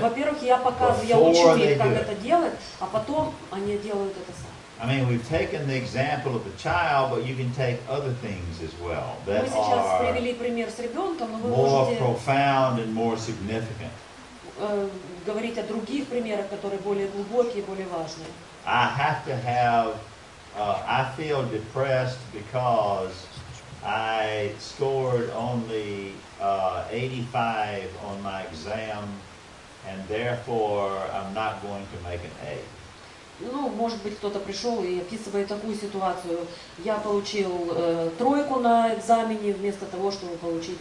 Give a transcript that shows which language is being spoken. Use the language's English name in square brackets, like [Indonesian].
[Russian] Да, во-первых, я показываю, я учу их, как это делать, а потом они делают это сами. [English] I mean, we've taken the example of the child, but you can take other things as well that are more profound and more significant. [Russian] Говорить о других примерах, которые более глубокие, более важные. [English] I have to have. I feel depressed because I scored only 85 on my exam, and therefore I'm not going to make an A. [Russian] Ну, может быть, кто-то пришел и описывает такую ситуацию. Я получил тройку на экзамене вместо того, чтобы получить